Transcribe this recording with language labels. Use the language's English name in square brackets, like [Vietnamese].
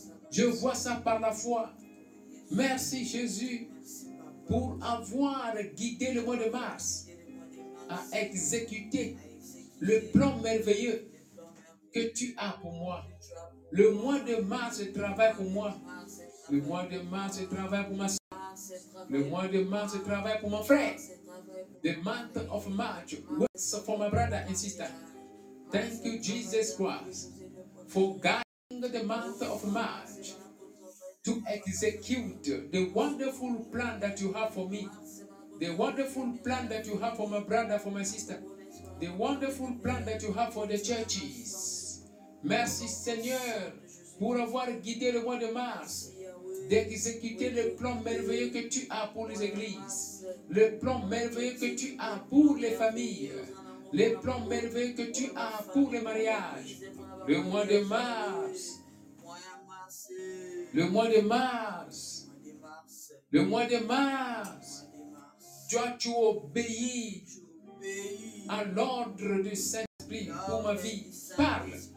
[French] Je vois ça par la foi. Merci, Jésus, pour avoir guidé le mois de mars à exécuter le plan merveilleux que tu as pour moi. Le mois de mars travaille pour moi. Le mois de mars travaille pour ma soeur. Le mois de mars travaille pour mon frère. [English] The month of March works for my brother and sister. Thank you, Jesus Christ, for guiding the month of March to execute the wonderful plan that you have for me, the wonderful plan that you have for my brother, for my sister, the wonderful plan that you have for the churches. [French] Merci, Seigneur, pour avoir guidé le mois de mars d'exécuter le plan merveilleux que tu as pour les églises, le plan merveilleux que tu as pour les familles, le plan merveilleux que tu as pour les mariages. Le mois de mars, le mois de mars, le mois de mars, tu as tu obéi à l'ordre du Saint-Esprit pour ma vie. Parle.